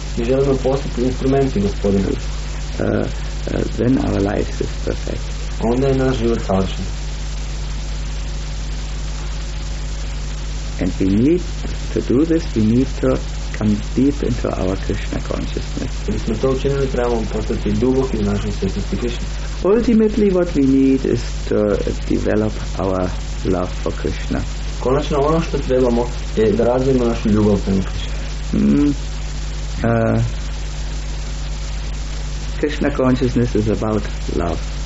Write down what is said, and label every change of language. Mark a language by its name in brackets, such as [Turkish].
[Croatian] Mi želimo postati instrumenti Gospodina. [English] Then our life is perfect. [Croatian] Onda je naš život savršen. [English] And we need to do this, we need to come deep into our Krishna consciousness. [Croatian] Mi smo to učinili, trebamo postati duboki u našoj svjesnosti Krishna. [English] Ultimately what we need is to develop our love for Krishna. [Croatian] Konačno ono što trebamo je da razvijemo našu ljubav prema Krishna. [English] Krishna consciousness is about love.